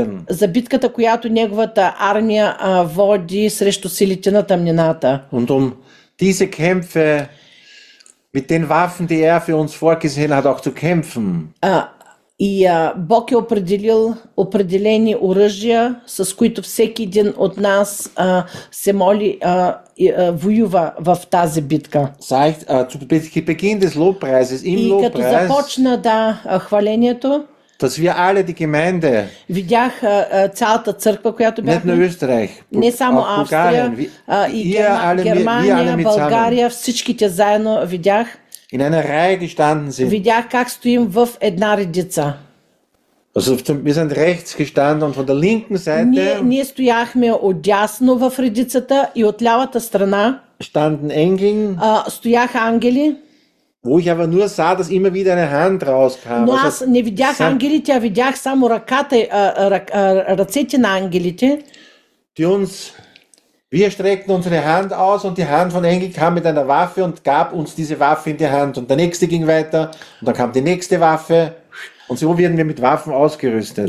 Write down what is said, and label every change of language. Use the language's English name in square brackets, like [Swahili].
[Bulgarian] за битката, която неговата армия води срещу силите на тъмнината. [German] Und um diese Kämpfe mit den Waffen, die er für uns vorgesehen hat, auch zu kämpfen. [Bulgarian] Бог е определил определени оръжия, с които всеки един от нас се моли воюва в тази битка. [German] Zu Beginn des Lobpreises, im [Bulgarian] Lobpreis. И като започна хвалението, [German] dass wir alle die Gemeinde, [Bulgarian] видях цялата църква, която бяхме, не Österreich, не само Австрия, Германия, България, всичките заедно видях, [German] in einer Reihe gestanden sind. [Bulgarian] Видях как стоим в една редица. [German] Also, wir sind rechts gestanden und von der linken Seite, [Bulgarian] ние стояхме отдясно в редицата, и от лявата страна [German] standen Engel, [Bulgarian] стояха ангели. [German] Wo ich aber nur sah, dass immer wieder eine Hand rauskam. [Bulgarian] Но аз не видях ангелите, а видях само ръцете на ангелите, [German] die uns Wir streckten unsere Hand aus und die Hand von Engel kam mit einer Waffe und gab uns diese Waffe in die Hand und der nächste ging weiter und dann kam die nächste Waffe und so werden wir mit Waffen ausgerüstet.